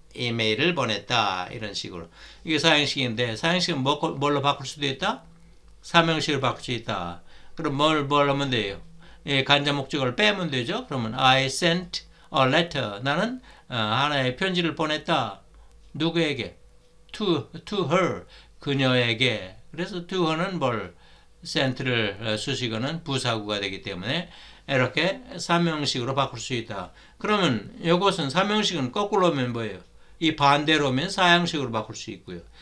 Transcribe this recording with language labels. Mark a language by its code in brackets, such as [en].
[ko] 이메일을 보냈다 이런 식으로 이게 사형식인데 사형식은 뭘로 바꿀 수도 있다? 3형식으로 바꿀 수 있다. 그럼 뭘 하면 돼요? 예, 간접 목적을 빼면 되죠? 그러면 [en] I sent a letter. [ko] 나는 하나의 편지를 보냈다. 누구에게? [en] To her. [ko] 그녀에게. 그래서 to her는 뭘? sent를 수식어는 부사구가 되기 때문에 이렇게 3형식으로 바꿀 수 있다. 그러면 이것은 3형식은 거꾸로 하면 뭐예요? 이 반대로 오면 사형식으로 바꿀 수 있고요.